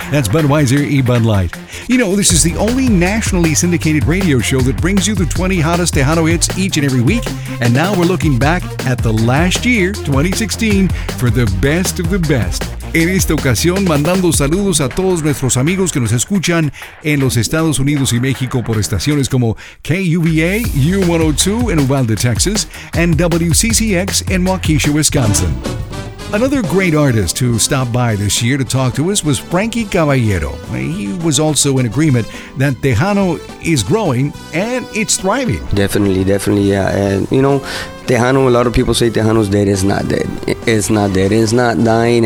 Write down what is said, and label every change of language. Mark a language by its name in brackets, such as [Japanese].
[English] That's Budweiser y Bud Light. You know, this is the only nationally syndicated radio show that brings you the 20 hottest Tejano hits each and every week. And now we're looking back at the last year, 2016, for the best of the best. [Spanish] En esta ocasión, mandando saludos a todos nuestros amigos que nos escuchan en los Estados Unidos y México por estaciones como KUVA, U102 en Uvalde, Texas, and WCCX en Waukesha, Wisconsin. [English] Another great artist who stopped by this year to talk to us was Frankie Caballero. He was also in agreement that Tejano is growing and it's thriving. Definitely, definitely, yeah. And, you know, Tejano, a lot of people say Tejano's dead. It's not dead. It's not dead. It's not dying.